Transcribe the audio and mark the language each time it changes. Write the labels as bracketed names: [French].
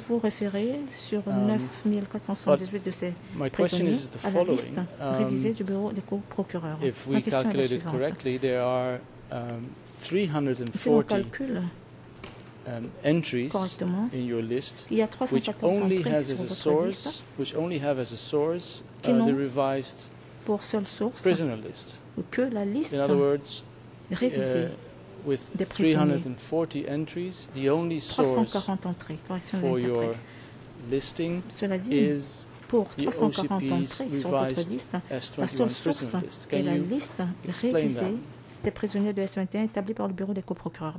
[French] Vous vous référez sur 9,478 de ces prisonniers à la liste révisée du bureau des co-procureurs. [English] If we calculated correctly, there are 340 entries in your list, which only has as a source, the revised prisoner list. In other words, with 340 entries, the only source for your listing is [French] pour 340 entries sur votre liste, la seule source est la liste révisée des prisonniers de S21 établis par le bureau des coprocureurs.